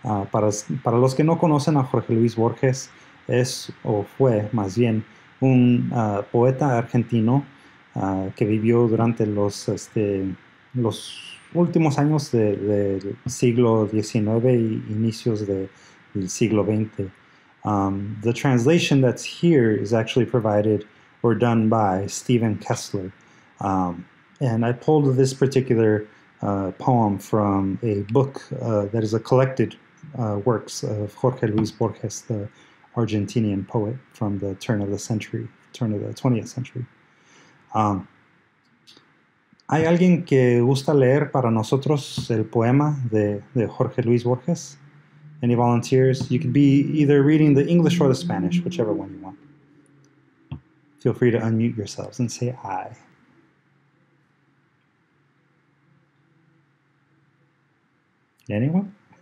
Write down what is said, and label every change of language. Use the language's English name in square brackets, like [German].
[Spanish] Para los que no conocen a Jorge Luis Borges, es o fue más bien un poeta argentino que vivió durante los últimos años del siglo XIX y inicios del siglo XX. [English] The translation that's here is actually provided or done by Stephen Kessler. And I pulled this particular poem from a book that is a collected works of Jorge Luis Borges, the Argentinian poet from the turn of the 20th century. [Spanish] ¿Hay alguien que gusta leer para nosotros el poema de Jorge Luis Borges? [English] Any volunteers? You could be either reading the English or the Spanish, whichever one you want. Feel free to unmute yourselves and say hi. Anyone?